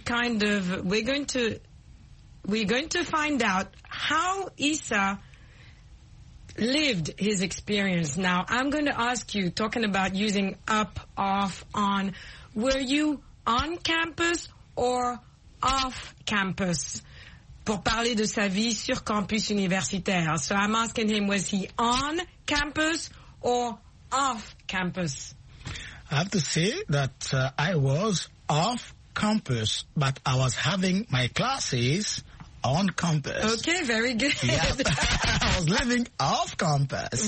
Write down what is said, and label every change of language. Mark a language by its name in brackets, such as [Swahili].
[English] We're going to find out how Issa lived his experience. Now, I'm going to ask you, talking about using up, off, on, were you on campus or off campus? [French] Pour parler de sa vie sur campus universitaire. [English] So I'm asking him, was he on campus or off campus? I have to say that I was off campus, but I was having my classes on campus. Okay, very good. Yeah. I was living off campus.